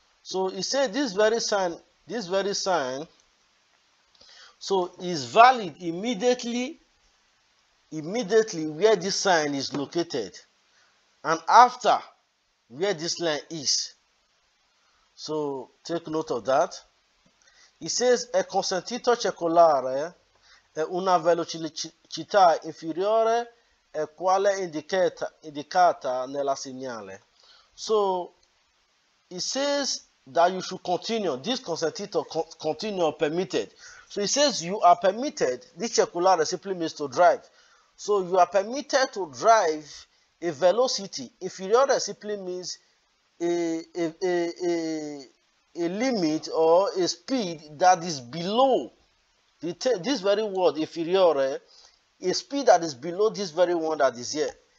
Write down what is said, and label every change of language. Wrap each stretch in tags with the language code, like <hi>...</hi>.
<en>So he said this very sign. So is valid immediately where this sign is located and after where this line is. So take note of that.</en> <it>It says è consentito circolare a una velocità inferiore a quale indicata nella segnale.</it> <en>So it says that you should continue, this consentito continue permitted. So it says you are permitted, this circular simply means to drive. So you are permitted to drive a velocity inferior simply means a limit or a speed that is below this very word inferior, a speed that is below this very one that is here.</en>